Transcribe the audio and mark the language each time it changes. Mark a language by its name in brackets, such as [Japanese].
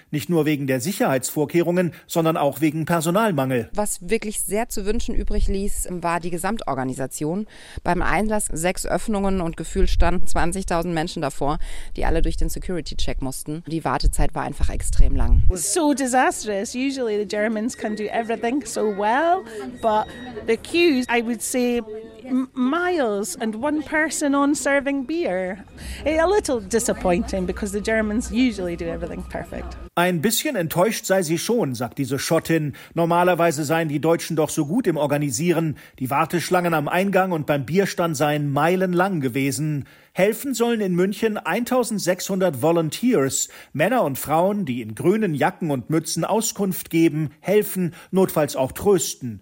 [German] Nicht nur wegen der Sicherheitsvorkehrungen, sondern auch wegen Personalmangel. Was wirklich sehr zu wünschen übrig ließ, war die Gesamtorganisation. Beim Einlass 6 Öffnungen und gefühlt standen 20.000 Menschen davor, die alle durch den Security-Check mussten. Die Wartezeit war einfach extrem lang. [English] So disastrous. Usually the Germans can do everything so well, but the queues, I would say, miles and one person on serving beer. A little disappointing because the Germans usually do everything perfect. [German] Ein bisschen enttäuscht sei sie schon, sagt diese Schottin. Normalerweise seien die Deutschen doch so gut im Organisieren. Die Warteschlangen am Eingang und beim Bierstand seien meilenlang gewesen. Helfen sollen in München 1600 Volunteers, Männer und Frauen, die in grünen Jacken und Mützen Auskunft geben, helfen, notfalls auch trösten.